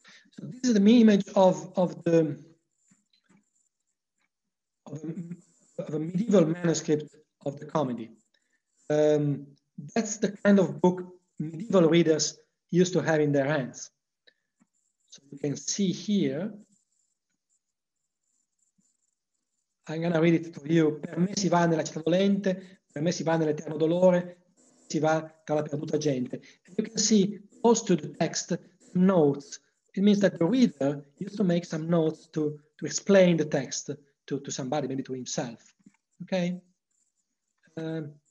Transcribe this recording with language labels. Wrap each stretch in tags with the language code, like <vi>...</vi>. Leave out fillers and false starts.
<en>So this is the main image of a medieval manuscript of the comedy. That's the kind of book medieval readers used to have in their hands. So you can see here, I'm gonna read it to you.</en> <it>Per me si va nella città dolente, per me si va nell'eterno dolore, si va tra la perduta gente.</it> <en>And you can see close to the text, notes. It means that the reader used to make some notes to explain the text to somebody, maybe to himself. Okay. Okay.</en>